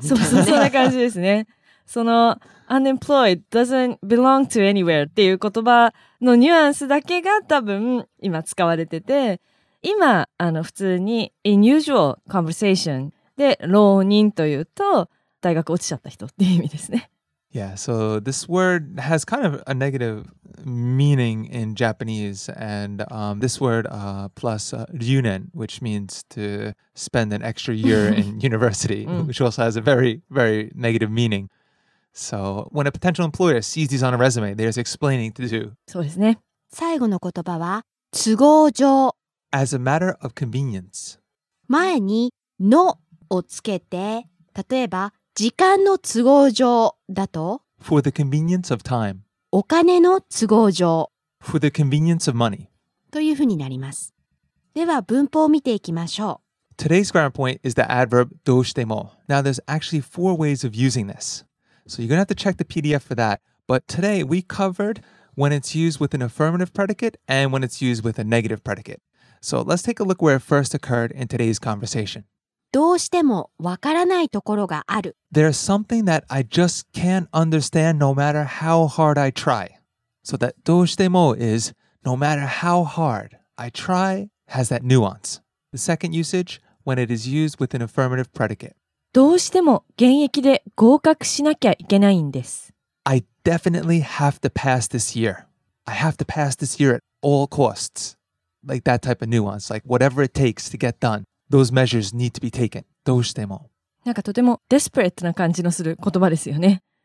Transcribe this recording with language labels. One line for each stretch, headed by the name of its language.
Japanese: そうそう、そんな感じですね。その unemployed doesn't belong to anywhere っていう言葉のニュアンスだけが多分今使われてて、今普通に in usual conversation で浪人というと大学落ちちゃった人っていう意味ですね。
English: Yeah, so this word has kind of a negative meaning in Japanese, and this word plus ryūnen, which means to spend an extra year in university, which also has a very, very negative meaning. So, when a potential employer sees these on a resume, there's explaining to do.
Japanese: そうですね。最後の言葉は、都合上。
English: As a matter of convenience.
Japanese: 前にのをつけて、例えば、時間の都合上だと。
English: For the convenience of time.
Japanese: お金の都合上。
English: For the convenience of money.
Japanese: というふうになります。では、文法を見ていきましょう。
English: Today's grammar point is the adverb どうしても。 Now, there's actually four ways of using this. So you're going to have to check the PDF for that. But today we covered when it's used with an affirmative predicate and when it's used with a negative predicate. So let's take a look where it first occurred in today's conversation.
Japanese: どうしてもわからないところがある。
English: There's something that I just can't understand no matter how hard I try. So that どうしても is no matter how hard I try has that nuance. The second usage, when it is used with an affirmative predicate. どうしても現役で合格しなきゃいけないんです。 I definitely have to pass this year. I have to pass this year at all costs. Like that type of nuance. Like whatever it takes to get done. Those measures need to be taken.
Japanese: どうしても。なんかとてもdesperateな感じのする言葉ですよね。